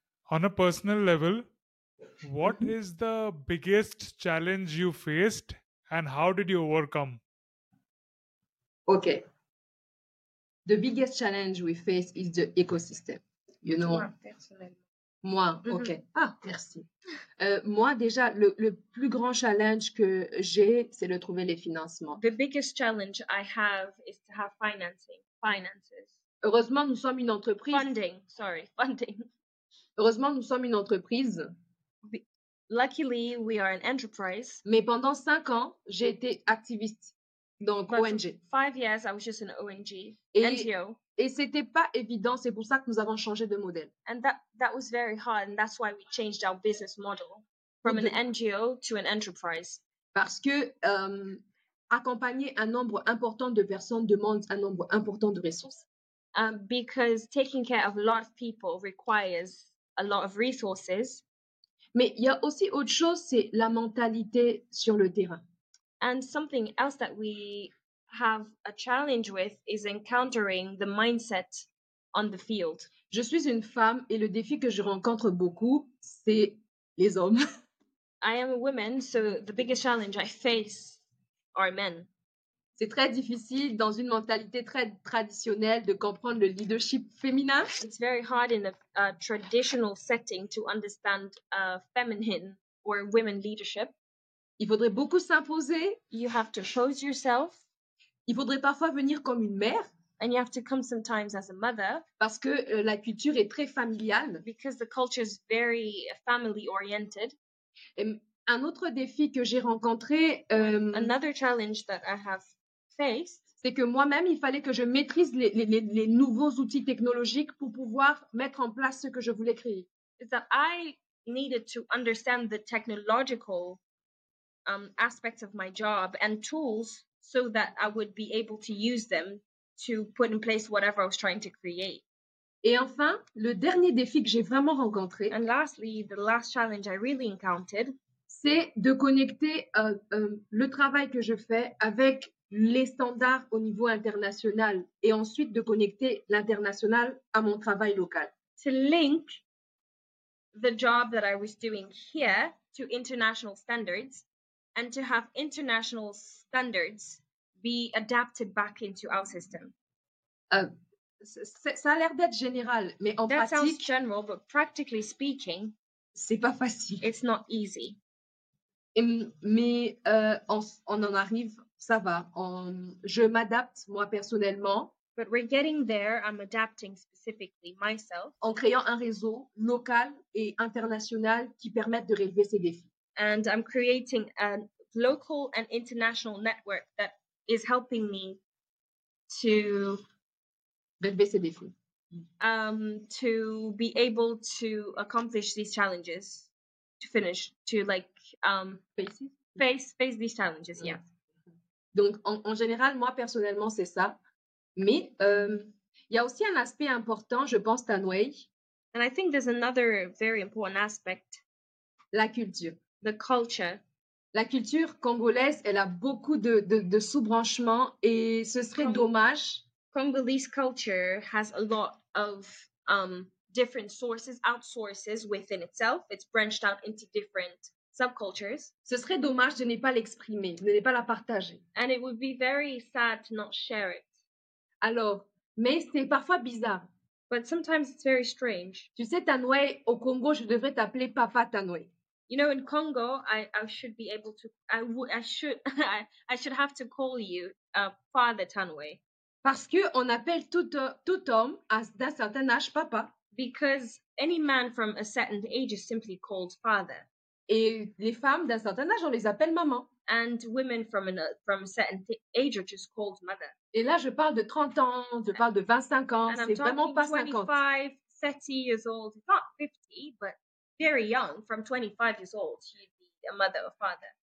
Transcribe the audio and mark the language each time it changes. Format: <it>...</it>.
<en>On a personal level, what is the biggest challenge you faced and how did you overcome? Okay. The biggest challenge we face is the ecosystem. You know, moi, mm-hmm. ok.</en> <fr>Ah, merci. Moi, déjà, le plus grand challenge que j'ai, c'est de trouver les financements.</fr> <en>The biggest challenge I have is to have financing, finances.</en> <fr>Heureusement, nous sommes une entreprise.</fr> <en>Funding, sorry, funding.</en> <fr>Heureusement, nous sommes une entreprise.</fr> <en>Luckily, we are an enterprise.</en> <fr>Mais pendant 5 ans, j'ai été activiste. Donc, but ONG.</fr> <en>5 years, I was just an ONG. NGO.</en> <fr>Et c'était pas évident, c'est pour ça que nous avons changé de modèle.</fr> <en>And that was very hard, and that's why we changed our business model from an NGO to an enterprise.</en> <fr>Parce que accompagner un nombre important de personnes demande un nombre important de ressources.</fr> <en>Because taking care of a lot of people requires a lot of resources.</en> <fr>Mais il y a aussi autre chose, c'est la mentalité sur le terrain.</fr> <en>And something else that we have a challenge with is encountering the mindset on the field.</en> <fr>Je suis une femme et le défi que je rencontre beaucoup, c'est les hommes.</fr> <en>I am a woman, so the biggest challenge I face are men.</en> <fr>C'est très difficile dans une mentalité très traditionnelle de comprendre le leadership féminin.</fr> <en>It's very hard in a traditional setting to understand feminine or women leadership.</en> <fr>Il faudrait beaucoup s'imposer.</fr> <en>You have to show yourself.</en> <fr>Il faudrait parfois venir comme une mère.</fr> <en>And you have to come sometimes as a mother.</en> <fr>Parce que la culture est très familiale.</fr> <en>Because the culture is very family oriented.</en> <fr>Un autre défi que j'ai rencontré.</fr> <en>Another challenge that I have faced.</en> <fr>C'est que moi-même, il fallait que je maîtrise les nouveaux outils technologiques pour pouvoir mettre en place ce que je voulais créer.</fr> <en>Is that I needed to understand the technological aspects of my job and tools. So that I would be able to use them to put in place whatever I was trying to create.</en> <fr>Et enfin, le dernier défi que j'ai vraiment rencontré,</fr> <en>and lastly, the last challenge I really encountered,</en> <fr>c'est de connecter le travail que je fais avec les standards au niveau international et ensuite de connecter l'international à mon travail local.</fr> <en>To link the job that I was doing here to international standards. And to have international standards be adapted back into our system.</en> <fr>Ça a l'air d'être général, mais en</fr> <en>that</en> <fr>pratique,</fr> <en>sounds general, but practically speaking,</en> <fr>c'est pas facile.</fr> <en>It's not easy.</en> <fr>Mais on en arrive, ça va. Je m'adapte moi personnellement.</fr> <en>But we're getting there. I'm adapting specifically myself.</en> <fr>En créant un réseau local et international qui permette de relever ces défis.</fr> <en>And I'm creating a local and international network that is helping me to</en> <fr>relever ces défis.</fr> <en>To be able to accomplish these challenges, to finish, to like face these challenges. Yeah.</en> <fr>Donc, en général, moi personnellement, c'est ça. Mais il y a aussi un aspect important, je pense, Tanway.</fr> <en>And I think there's another very important aspect.</en> <fr>La culture.</fr> <en>The culture.</en> <fr>La culture congolaise, elle a beaucoup de sous-branchements et ce serait dommage.</fr> <en>Congolese culture has a lot of different sources, outsources within itself. It's branched out into different subcultures.</en> <fr>Ce serait dommage de ne pas l'exprimer, de ne pas la partager.</fr> <en>And it would be very sad to not share it.</en> <fr>Alors, mais c'est parfois bizarre.</fr> <en>But sometimes it's very strange.</en> <fr>Tu sais, Tanway, au Congo, je devrais t'appeler Papa Tanway.</fr> <en>You know, in Congo, I should have to call you Father Tanway.</en> <fr>Parce que on appelle tout homme à d'un certain âge papa.</fr> <en>Because any man from a certain age is simply called father.</en> <fr>Et les femmes d'un certain âge, on les appelle maman.</fr> <en>And women from a certain age are just called mother.</en> <fr>Et là, je parle de 30 ans, je parle de 25 ans,</fr> <en>and</en> <fr>c'est vraiment pas 50.</fr> <en>25, 30 years old, not 50, but very young, from 25 years old, you'd be a mother or father.</en>